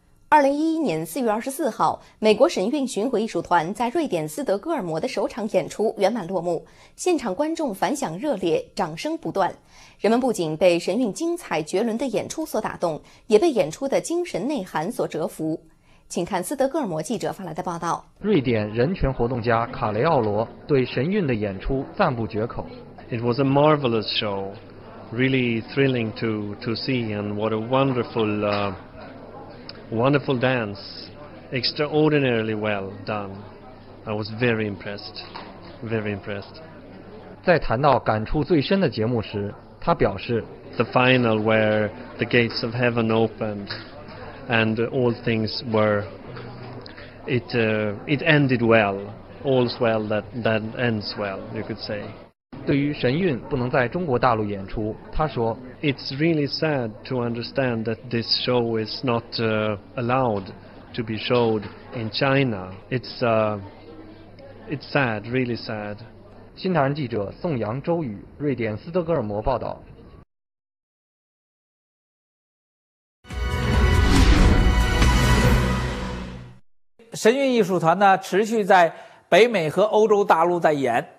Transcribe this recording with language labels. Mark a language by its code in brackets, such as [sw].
[zh] 2011年4月24号，美国神韵巡回艺术团在瑞典斯德哥尔摩的首场演出圆满落幕，现场观众反响热烈，掌声不断。人们不仅被神韵精彩绝伦的演出所打动，也被演出的精神内涵所折服。请看斯德哥尔摩记者发来的报道。瑞典人权活动家卡雷奥罗对神韵的演出赞不绝口。 [en] It was a marvelous show, really thrilling to see, and what a wonderful dance, extraordinarily well done. I was very impressed, very impressed. [zh] 在谈到感触最深的节目时，他表示 [en] The final where the gates of heaven opened and all things were it ended well. All's well that ends well, you could say. [zh] 对于神韵不能在中国大陆演出，他说 [en] It's really sad to understand that this show is not allowed to be showed in China. It's sad, really sad. [zh] 新唐人记者宋阳、周宇，瑞典斯德哥尔摩报道。神韵艺术团呢，持续在北美和欧洲大陆在演。